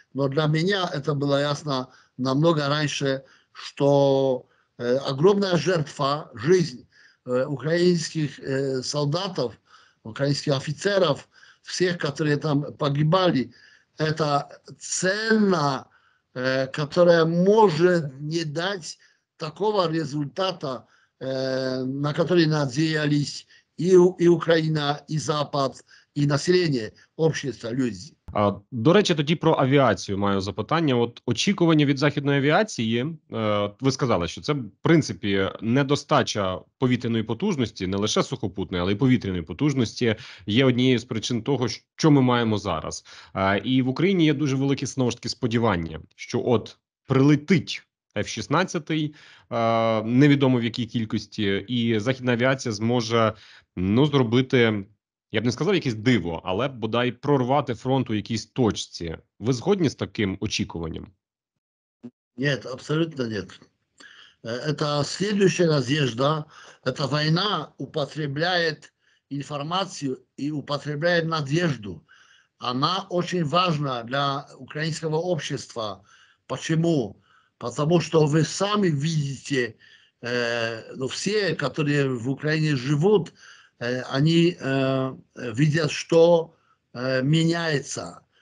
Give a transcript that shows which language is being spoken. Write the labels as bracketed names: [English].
[Russian] Но для меня это было ясно намного раньше, что огромная жертва, жизнь украинских солдатов, украинских офицеров, всех, которые там погибали, это ценно, которая может не дать такого результата, на который надеялись и Украина, и Запад, и население, общество, люди. [Ukrainian] До речі, тоді про авіацію маю запитання. От очікування від західної авіації, ви сказали, що це, в принципі, недостача повітряної потужності, не лише сухопутної, але й повітряної потужності, є однією з причин того, що ми маємо зараз. І в Україні є дуже великі, знову ж таки, сподівання, що от прилетить F-16, невідомо в якій кількості, і західна авіація зможе, ну, зробити, я б не сказав, якесь диво, але бодай прорвати фронт у якійсь точці. Ви згодні з таким очікуванням? Ні, абсолютно ні. Це наступна наїзда, ця війна употребляє інформацію і употребляє надіжду. Вона дуже важлива для українського суспільства. Чому? [Russian] Потому что вы сами видите, ну, все, которые в Украине живут, они видят, что меняется.